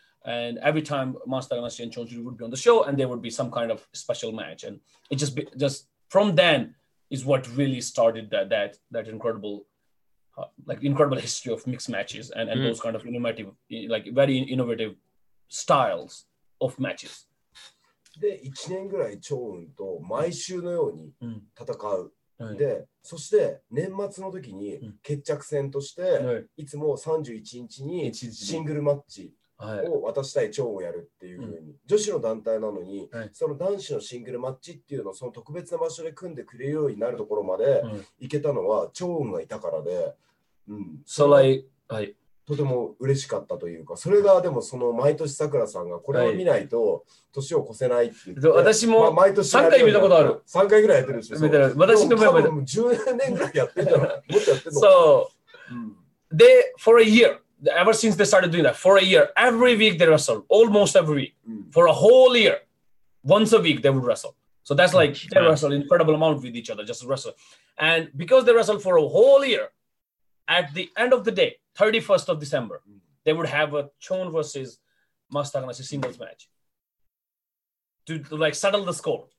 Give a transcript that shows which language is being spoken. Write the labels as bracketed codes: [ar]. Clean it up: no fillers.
[en] And every time Masa Takanashi and Chon-shiryu would be on the show, and there would be some kind of special match, and it just from then is what really started that incredible like incredible history of mixed matches and those kind of innovative, like very innovative styles of matches. [ja] で1年ぐらい超運と毎週のように戦う。で、はい、そして年末の時に決着戦として、はい、いつも31日にシングルマッチを私対チョウをやるっていう風に、はい、女子の団体なのに、はい、その男子のシングルマッチっていうのをその特別な場所で組んでくれるようになるところまで行けたのはチョウがいたからで、はい、うん、それはとても嬉しかったというか、それがでもその毎年さくらさんがこれを見ないと年を越せないって言って、はい、私も、まあ、毎年3回見たことある、 3回ぐらいやってるし、見てる、私の前まで10年ぐらいやってるじゃないもっとやってるの、 [en] so, they, for a year, ever since they started doing that, for a year, every week they wrestled, almost every week, for a whole year, once a week they would wrestle. So that's like, they wrestled incredible amount with each other, just wrestle. And because they wrestled for a whole year, at the end of the day, 31st of December, they would have a Chon versus Masa Takanashi singles match to like settle the score.